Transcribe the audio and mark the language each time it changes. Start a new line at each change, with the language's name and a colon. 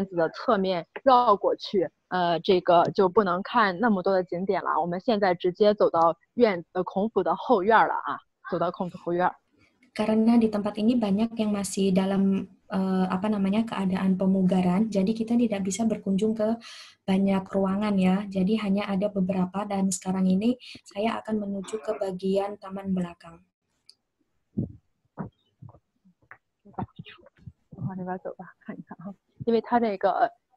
Chinese: 好的，我们继续往前走，因为里面很多内部在装修，所以我们只能从院子的侧面绕过去。这个就不能看那么多的景点了，我们现在直接走到孔府的后院了啊，走到孔府后院。
Indonesian: Karena di tempat ini banyak yang masih dalam apa namanya keadaan pemugaran, jadi kita tidak bisa berkunjung ke banyak ruangan ya. Jadi hanya ada beberapa dan sekarang ini saya akan menuju ke bagian taman belakang.
Chinese: 往那边走吧，看一看哈，因为它这个。